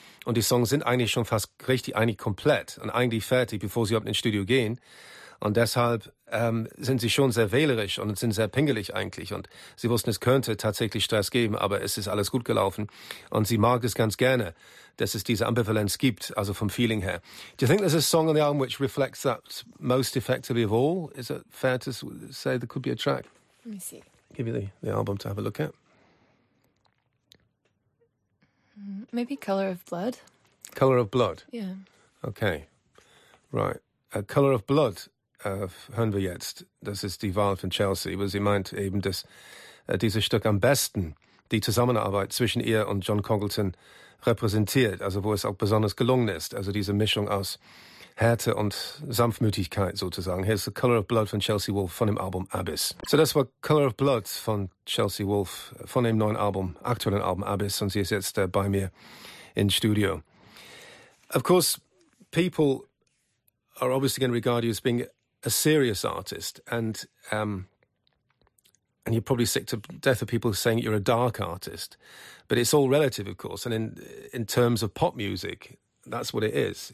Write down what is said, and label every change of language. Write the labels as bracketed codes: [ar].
[de] Und die Songs sind eigentlich schon fast richtig, eigentlich komplett und eigentlich fertig, bevor sie überhaupt ins Studio gehen. Und deshalb sind sie schon sehr wählerisch und sind sehr pingelig eigentlich. Und sie wussten, es könnte tatsächlich Stress geben, aber es ist alles gut gelaufen. Und sie mag es ganz gerne, dass es diese Ambivalenz gibt, also vom Feeling her. [en] Do you think there's a song on the album which reflects that most effectively of all? Is it fair to say there could be a track? Let me see. Give you the album to have a look at. Maybe Color of Blood. Color of Blood? Yeah. Okay. Right. [de] Color of Blood hören wir jetzt. Das ist die Wahl von Chelsea, weil sie meint eben, dass dieses Stück am besten die Zusammenarbeit zwischen ihr und John Congleton repräsentiert, also wo es auch besonders gelungen ist, also diese Mischung aus Härte und Sanftmütigkeit sozusagen. Hier ist The Color of Blood von Chelsea Wolfe von dem Album Abyss. So das war Color of Blood von Chelsea Wolfe von dem neuen Album, aktuellen Album Abyss, und sie ist jetzt bei mir in Studio. [en] Of course, people are obviously going to regard you as being a serious artist, and you're probably sick to death of people saying you're a dark artist. But it's all relative, of course, and in terms of pop music, that's what it is.